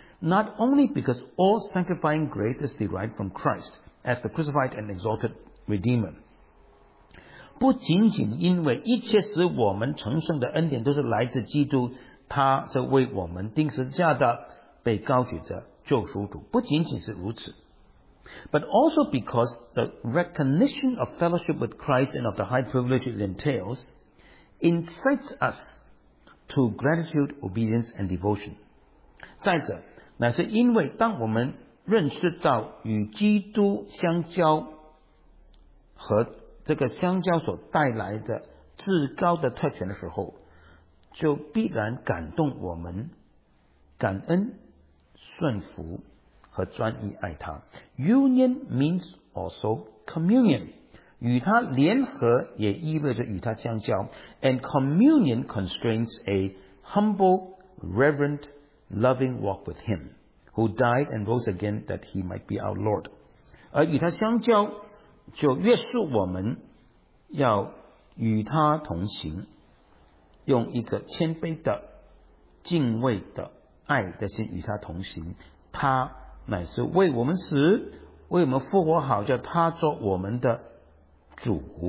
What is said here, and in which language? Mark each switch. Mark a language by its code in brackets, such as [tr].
[en] Not only because all sanctifying grace is derived from Christ as the crucified and exalted Redeemer， [zh] 不仅仅因为一切使我们成圣的恩典都是来自基督，他是为我们钉十字架的被高举的救赎主，不仅仅是如此。 [en] But also because the recognition of fellowship with Christ and of the high privilege it entails incites us to gratitude, obedience, and devotion. [zh] 再者，乃是因为当我们认识到与基督相交和这个相交所带来的至高的特权的时候，就必然感动我们感恩、顺服和专一爱他。 [en] Union means also communion， [zh] 与他联合也意味着与他相交。 [en] And communion constrains a humble, reverent, loving walk with him who died and rose again that he might be our Lord。 [zh] 而与他相交就约束我们要与他同行，用一个谦卑的、敬畏的、爱的心与他同行。他乃是为我们死，为我们复活好，叫他做我们的主。